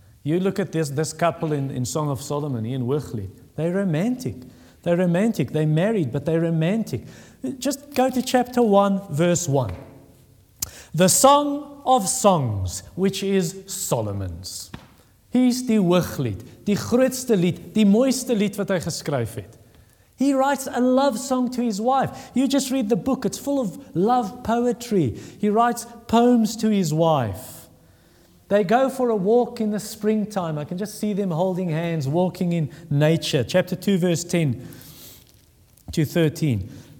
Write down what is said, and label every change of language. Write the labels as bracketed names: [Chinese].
[English] You look at this couple in Song of Solomon, Ian Wigley. They're romantic. They're romantic. They're married, but they're romantic. Just go to chapter 1, verse 1. The Song of Songs, which is Solomon's. He's [Afrikaans] die Wiglied, die grootste lied, die mooiste lied wat hy geskryf het. [English] He writes a love song to his wife. You just read the book, it's full of love poetry. He writes poems to his wife. They go for a walk in the springtime. I can just see them holding hands, walking in nature. Chapter 2, verse 10 to 13.